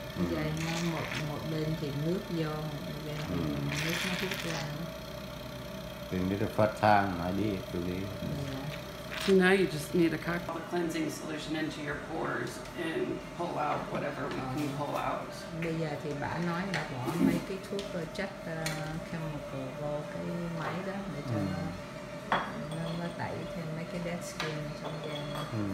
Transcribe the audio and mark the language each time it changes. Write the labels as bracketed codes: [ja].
[vi] Dây nó một bên thì nước vô, một bên thì nước nó thuốc ra. [en] Then it's the first time I did it, really. So now you just need a cocktail cleansing solution into your pores and pull out whatever we can pull out. [vi] Bây giờ thì bà nói là bỏ mấy cái thuốc chất chemical vô cái máy đó để cho nó tẩy thêm mấy cái dead skin trong da.